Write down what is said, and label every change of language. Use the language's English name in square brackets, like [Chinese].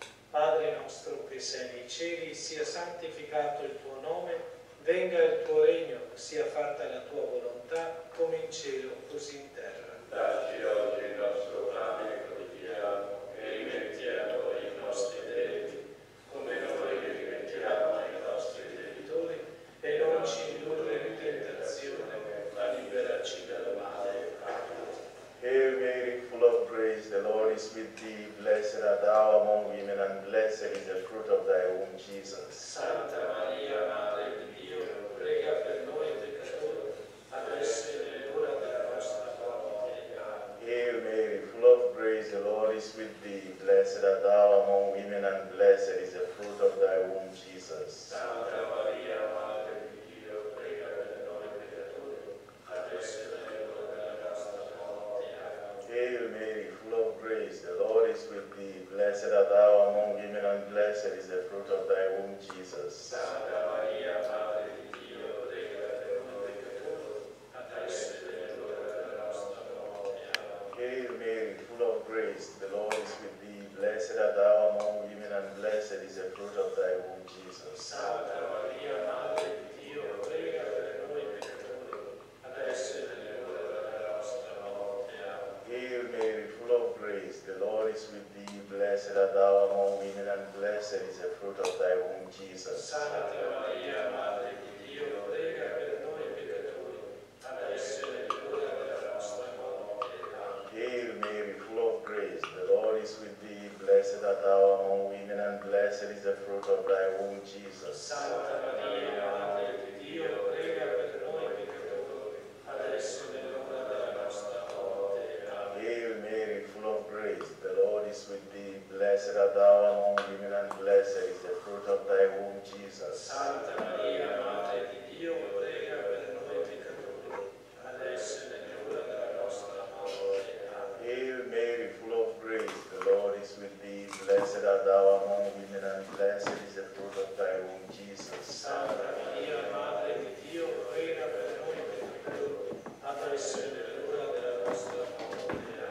[Italian] Padre nostro che sei nei cieli, sia santificato il tuo nome, venga il tuo regno, sia fatta la tua volontà, come in cielo, così in terra. Dacci oggi il nostro pane quotidiano, e rimetti a noi i nostri debiti, come noi li rimettiamo ai nostri debitori, e non ci indurre in tentazione, ma liberaci dal male. [English] Hail Mary, full of grace, the Lord is with thee, blessed art thou among women, and blessed is the fruit of thy womb, Jesus. [Italian] Santa Maria, Madre di Dio, prega per noi peccatori, adesso e nell'ora della nostra morte. Amen. [English] Hail Mary, full of grace, the Lord is with thee, blessed art thou among women, and blessed is the fruit of thy womb, Jesus. [Italian] Santa Maria, Madre di Dio, prega per noi peccatori, adesso e [English] Hail Mary, full of grace, the Lord is with thee. Blessed art thou among women, and blessed is the fruit of thy womb, Jesus. [Italian] Santa Maria, Madre di Dio, prega per noi peccatori, adesso e nell'ora della nostra morte. Amen. [English] Hail Mary, full of grace, the Lord is with thee. Blessed art thou among women, and blessed is the fruit of thy womb, Jesus. [Italian] Santa Maria, Madre di Dio, prega per noi peccatori, adesso e [English] Hail Mary, full of grace, the Lord is with thee. Blessed art thou among women, and blessed is the fruit of thy womb, Jesus. [Italian] Santa Maria, Madre di Dio, prega per noi peccatori, adesso e nell'ora della nostra morte. [English] Hail Mary, full of grace, the Lord is with thee. Blessed art thou among women, and blessed is the fruit of thy womb, Jesus. [Italian] Santa Maria, Madre di Dio, prega per noi peccatori, adesso e nell'ora della nostra morte. [English] Hail Mary, full of grace, the Lord is with thee. Blessed art thou among women, and blessed is the fruit of thy womb, Jesus. [Italian] Santa Maria, Madre di Dio, prega per noi peccatori, adesso e nell'ora della nostra morte. Amen. [English] Hail Mary, full of grace, the Lord is with thee. Blessed art thou among women, and blessed is the fruit of thy womb, Jesus. [Italian] Santa Maria, Madre di Dio, prega per noi peccatori, adesso e nell'ora della nostra morte.